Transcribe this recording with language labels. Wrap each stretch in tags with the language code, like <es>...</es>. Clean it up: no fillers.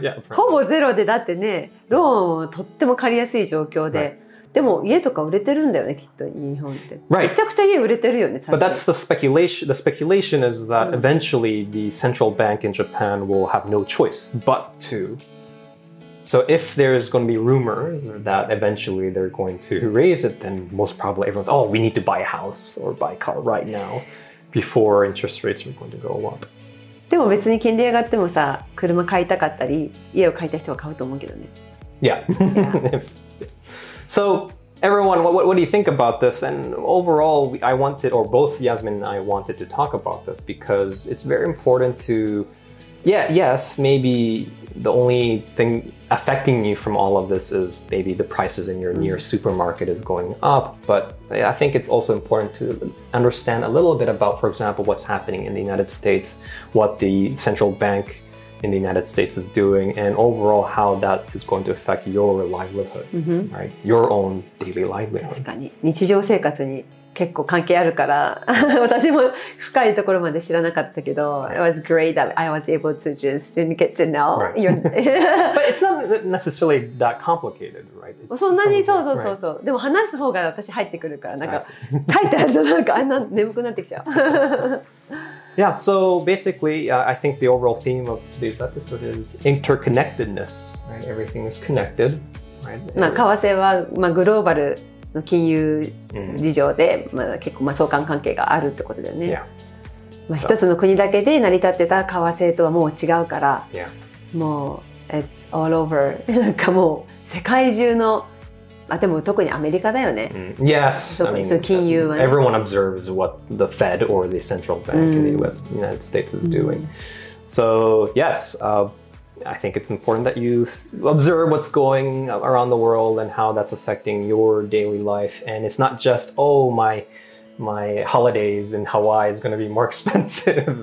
<ja>ほぼゼロでだってねローンをとっても借りやすい状況で、right. でも家とか売れてるんだよねきっと日本って、</ja> <en>right.</en> <ja>めちゃくちゃ家売れてるよね</ja> <en>But that's the speculation is that eventually the central bank in Japan will have no choice but to So if there's going to be rumors that eventually they're going to raise it, then most probably everyone's, oh, we need to buy a house or buy a car right now before interest rates are going to go up.</en> <ja>でも別に金利上がってもさ、車買いたかったり、家を買いたい人は買うと思うけどね。</ja> <en>Yeah. Yeah. So, everyone, what do you think about this? And overall, I wanted, or both Yasmin and I wanted to talk about this because it's very important to, yeah, yes, maybe the only thing affecting you from all of this is maybe the prices in your near supermarket is going up. But I think it's also important to understand a little bit about, for example, what's happening in the United States, what the central bank in the United States is doing, and overall how that is going to affect your livelihoods, right? Your own daily livelihood.</en> <ja>確かに日常生活に結構関係あるから私も深いところまで知らなかったけど、</ja> <en>right. It was great that I was able to just get to know、right. your... But it's not necessarily that complicated, right?</en> <ja>そんなに、そうそうそうそう、right. でも話す方が私入ってくるから、なんか書いてあるとなんかあんな眠くなってきちゃう</ja> <en>Yeah, so basically, I think the overall theme of today's episode is interconnectedness, right? Everything is connected,</en> <ja>right? まあ、為替は、まあ、グローバルの金融事情で、mm-hmm. まあ、結構、まあ、相関関係があるってことだよね。</ja> <en>Yeah.</en> <ja>まあ、so. 一つの国だけで成り立ってた為替とはもう違うから、</ja> <en>yeah.</en> <ja>もう、</ja> <en>it's all over.</en> <ja>なんかもう、世界中の、あ、でも特にアメリカだよね。</ja> <en>Mm. Yes,</en> <ja>特にその金融は、ね、</ja> <en>I mean, everyone observes what the Fed or the central bank、mm. in the United States is doing.、Mm. So yes,、I think it's important that you observe what's going around the world and how that's affecting your daily life. And it's not just, oh, my holidays in Hawaii is going to be more expensive.</en>